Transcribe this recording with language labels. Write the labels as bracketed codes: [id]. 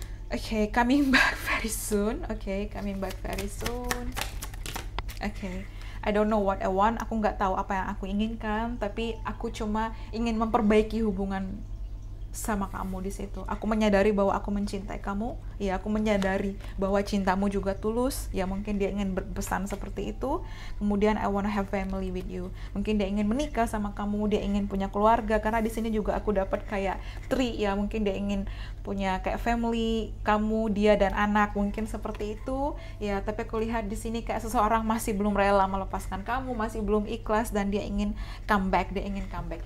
[en] Oke, coming back very soon. Oke, coming back very soon. Oke, I don't know what I want. [id] Aku nggak tahu apa yang aku inginkan, tapi aku cuma ingin memperbaiki hubungan sama kamu di situ. Aku menyadari bahwa aku mencintai kamu. Ya, aku menyadari bahwa cintamu juga tulus. Ya, mungkin dia ingin berpesan seperti itu. Kemudian [en] I wanna have family with you. [id] Mungkin dia ingin menikah sama kamu, dia ingin punya keluarga, karena di sini juga aku dapat kayak tree ya. Mungkin dia ingin punya kayak family, kamu, dia dan anak, mungkin seperti itu. Ya, tapi aku lihat di sini kayak seseorang masih belum rela melepaskan kamu, masih belum ikhlas dan dia ingin comeback, dia ingin comeback.